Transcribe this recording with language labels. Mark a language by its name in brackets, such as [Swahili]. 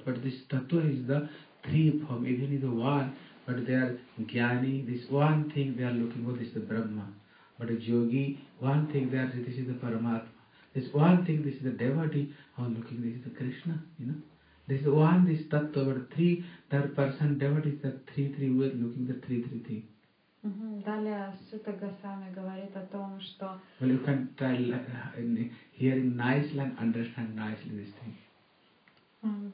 [English] But this Tattva is the three form, even is the one, but they are Jnani, this one thing they are looking for, this is the Brahma. But a Yogi, one thing they are saying, this is the Paramatma. This one thing, this is the devotee, how looking, this is the Krishna, you know? This is the one, this Tattva, but three, that person, devotee, the three, we are looking for the three thing. [Russian] Далее Сута Госвами говорит о том, что... [English] Well, you can tell, hearing nicely and understand nicely this thing.